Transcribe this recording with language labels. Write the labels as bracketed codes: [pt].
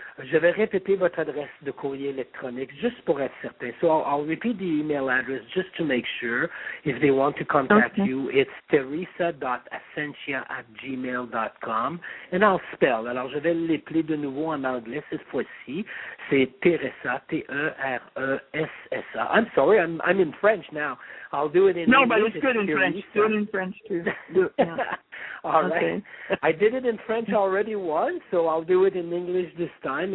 [fr] Je vais répéter votre adresse de courrier électronique juste pour être certain. [en] So I'll repeat the email address just to make sure if they want to contact you. It's teresa.ascensia@gmail.com. And I'll spell. [fr] Alors, je vais l'appeler de nouveau en anglais cette fois-ci. C'est Teresa, T-E-R-E-S-S-A. [en] I'm sorry, I'm in French now. I'll do it in English. No, but it's good in French. Good in French, too. Yeah. All right. I did it in French already once, so I'll do it in English this time.